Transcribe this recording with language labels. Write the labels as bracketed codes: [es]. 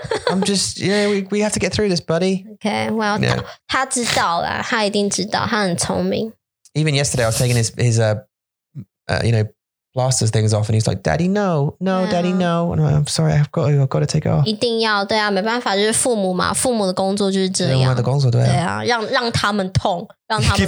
[en] I'm just, you know, we have to get through this, buddy. Okay, well, yeah. [zh] 他知道啦,他一定知道,他很聪明. [en] Even yesterday, I was taking his you know, blasters things off, and he's like, "Daddy, no, no, yeah. Daddy, no." And I'm sorry, I've got to take it off. [zh] 一定要，对啊，没办法，就是父母嘛，父母的工作就是这样。对啊，让他们痛，让他们